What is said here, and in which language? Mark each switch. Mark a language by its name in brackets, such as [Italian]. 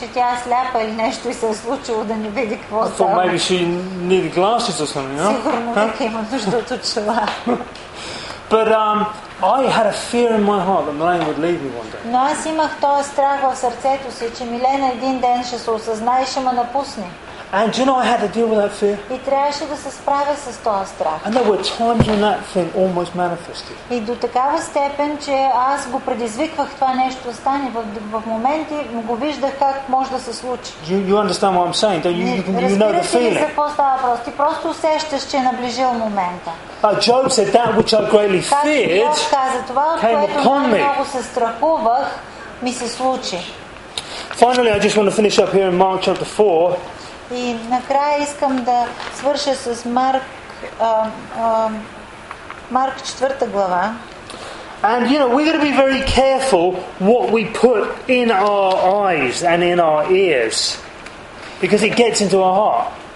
[English] I thought maybe she needed glasses or something, you know? But I had a fear in my heart that Milena would leave me one day. [Bulgarian] Но аз имах този страх в сърцето си, че Милена един ден ще се осъзнае и ще ме напусне. [English] And you know, I had to deal with that fear. [Bulgarian] И трябваше да се справя с този страх. [English] And there were times when that thing almost manifested. [Bulgarian] И до такава степен, че аз го предизвиквах това нещо да стане. В моменти го виждах как може да се случи. [English] You understand what I'm saying? Don't you? You know the feeling. [Bulgarian] Разбира се, какво става просто. Ти просто усещаш, че е наближил момента. [English] Job said, "That which I greatly feared [Bulgarian] каза, това, [English] came upon me." [Bulgarian] Много се страхувах, ми се случи. [English] Finally, I just want to finish up here in Mark chapter 4. [Bulgarian] И накрая искам да свърша с Марк, Марк 4-та глава. [English] And you know, we've got to be very careful what we put in our eyes and in our ears, because it gets into our heart.